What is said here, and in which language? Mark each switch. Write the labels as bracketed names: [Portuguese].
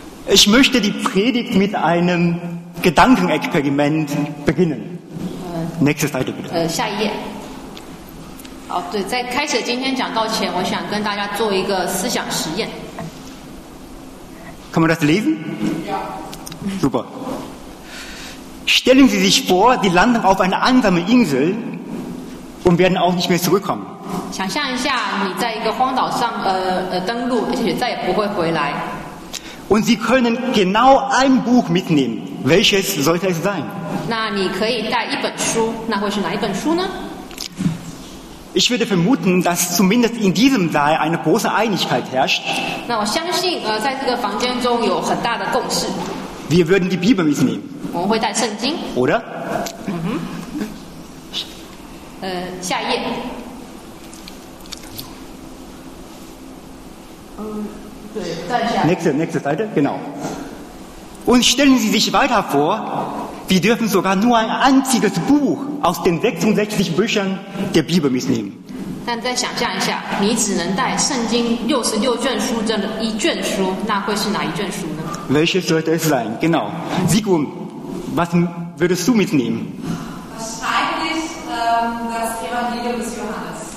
[German] Ich möchte die Predigt mit einem Gedankenexperiment beginnen. [English] Next slide, bitte. [Chinese] 下一页。好，对，在开始今天讲道前，我想跟大家做一个思想实验。 [German] Kann man das lesen? Super. Stellen Sie sich vor, die landen auf einer einsamen Insel und werden auch nicht mehr zurückkommen. [Chinese] 想象一下，你在一个荒岛上登陆，而且再也不会回来。 [German] Und Sie können genau ein Buch mitnehmen. Welches sollte es sein? [Chinese] 那你可以带一本书，那会是哪一本书呢？ [German] Ich würde vermuten, dass zumindest in diesem Saal eine große Einigkeit herrscht. [Chinese] 那我相信，在这个房间中有很大的共识。 [German] Wir würden die Bibel mitnehmen. [Chinese] 我们会带圣经。 [German] Oder? [Chinese] 下一页。对，再下。 [English] Next slide, genau. [German] Und stellen Sie sich weiter vor, wir dürfen sogar nur ein einziges Buch aus den 66 Büchern der Bibel mitnehmen. [Chinese] 但再想象一下，你只能带圣经66卷书中的一卷书，那会是哪一卷书呢？ [German] Welche sollte es sein? Genau. Sigmund, was würdest du mitnehmen? Wahrscheinlich das Evangelium des Johannes.